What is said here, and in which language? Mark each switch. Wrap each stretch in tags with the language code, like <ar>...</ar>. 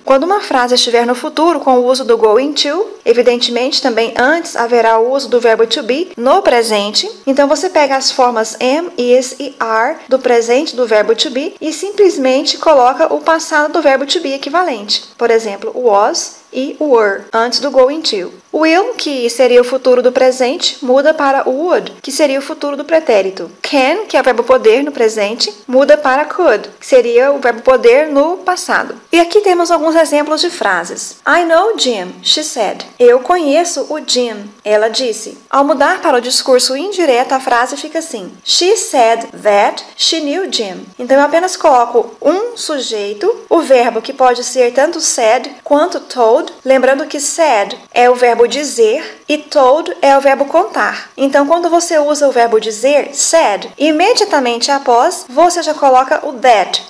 <pt>Quando uma frase estiver no futuro com o uso do going to, evidentemente também antes haverá o uso do verbo to be no presente, então você pega as formas am, is e are do presente do verbo to be e simplesmente coloca o passado do verbo to be equivalente. Por exemplo, was e were, antes do going to. Will, que seria o futuro do presente, muda para would, que seria o futuro do pretérito. Can, que é o verbo poder no presente, muda para could, que seria o verbo poder no passado. E aqui temos alguns exemplos de frases.</pt> <en>I know Jim, she said.</en> <pt>Eu conheço o Jim, ela disse. Ao mudar para o discurso indireto, a frase fica assim.</pt> <en>She said that she knew Jim.</en> <pt>Então eu apenas coloco um sujeito, o verbo que pode ser tanto said quanto told. Lembrando que said é o verbo dizer e told é o verbo contar. Então, quando você usa o verbo dizer, said, imediatamente após, você já coloca o that.</pt>